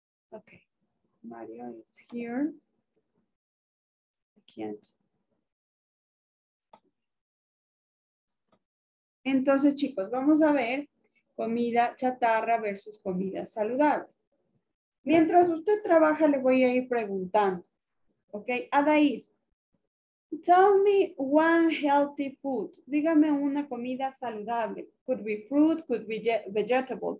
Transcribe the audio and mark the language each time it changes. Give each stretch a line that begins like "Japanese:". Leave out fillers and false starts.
English: Ok. Mario, it's here. I can't.
Spanish: Entonces, chicos, vamos a ver comida chatarra versus comida saludable. Mientras usted trabaja, le voy a ir preguntando. ¿Ok? Adaís.
English: Tell me one healthy food.
Spanish: Dígame una comida saludable.
English: Could be fruit, could be vegetable.